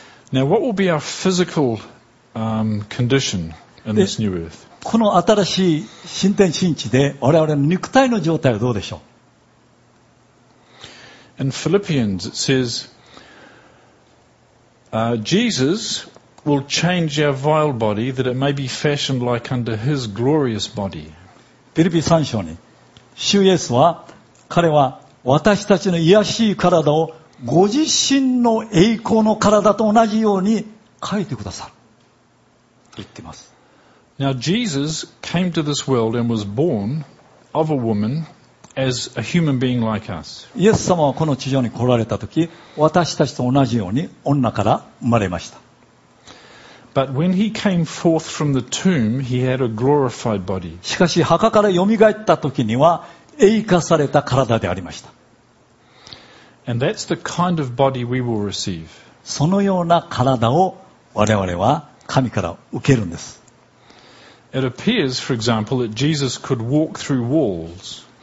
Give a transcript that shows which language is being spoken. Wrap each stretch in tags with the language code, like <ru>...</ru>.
<en>Now, what will be our physical condition in this new earth?</en> <ja>この新しい新天新地で我々の肉体の状態はどうでしょう?</ja> <en>In Philippians, it says, Jesus will change our vile body that it may be fashioned like unto his glorious body.</en> <ja>ピリピ3章に主イエスは彼は私たちの卑しい体をご自身の栄光の体と同じように変えてくださると言っています。</ja> <en>Now Jesus came to this world and was born of a woman as a human being like us.</en> <ja>イエス様はこの地上に来られた時、私たちと同じように女から生まれました。</ja> <en>But when he came forth from the tomb, he had a glorified body.</en> <ja>しかし墓から蘇った時には栄化された体でありました。</ja> <en>And that's the kind of body we will receive.</en> <ja>そのような体を我々は神から受けるんです。</ja> <en>It appears, for example, that Jesus could walk through walls.</en>